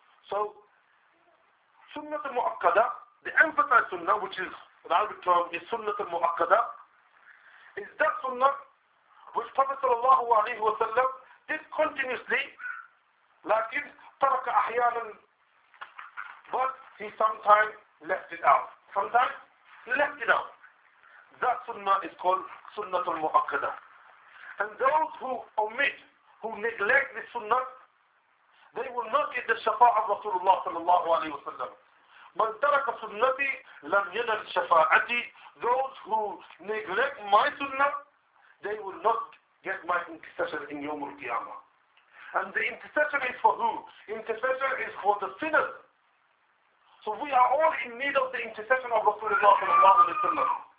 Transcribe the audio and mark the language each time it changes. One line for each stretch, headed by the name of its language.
English: So, Sunnah al-Mu'akkada, the emphasized Sunnah, which is the Arabic term, is Sunnah al-Mu'akkada, is that Sunnah which Prophet sallallahu alayhi wa sallam did continuously,
Arabic: لكن ترك أحيانا,
English: but he sometimes left it out. Sometimes left it out. That sunnah is called sunnah al-mu'akkada. And those who omit, who neglect this sunnah, they will not get the shafa'ah of Rasulullah sallallahu alayhi wa sallam.
Arabic: من ترك سنتي لم ينل شفاعتي.
English: Those who neglect my sunnah, they will not get my intercession in Yawm al-Qiyamah. And the intercession is for who? Intercession is for the sinners. So we are all in need of the intercession of Rasulullah sallallahu alayhi wa sallam.